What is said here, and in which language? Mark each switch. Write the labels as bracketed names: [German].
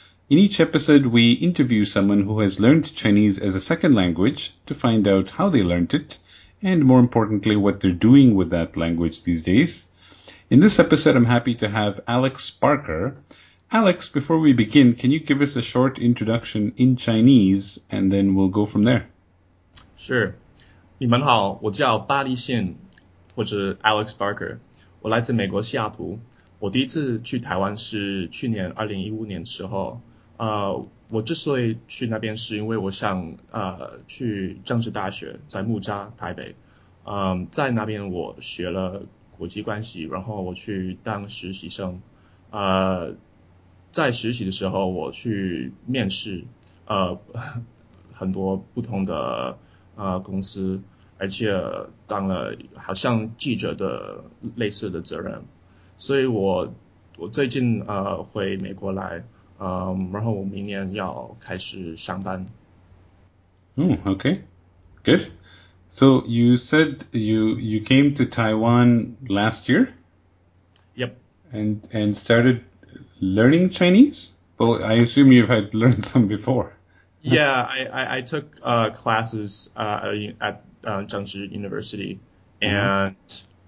[English] In each episode, we interview someone who has learned Chinese as a second language to find out how they learned it, and more importantly, what they're doing with that language these days. In this episode, I'm happy to have Alex Barker. Alex, before we begin, can you give us a short introduction in Chinese, and then we'll go from there? Sure. [Chinese] 你们好, 我叫巴黎信, 我是Alex Barker, 我来自美国西雅图, 我第一次去台湾是去年2015年的时候, 我之所以去那边是因为我想 去政治大学, 在木栅台北, 在那边我学了国际关系, 然后我去当实习生, 在实习的时候, 我去面试, 很多不同的 公司, 而且当了好像记者的类似的责任, 所以我最近 回美国来, 然后我明年要开始上班。 [English] Okay, good. So you said you came to Taiwan last year? Yep. And started learning Chinese? Well, I assume you had learned some before. Yeah, I took classes at Zhengzhi University, and mm-hmm.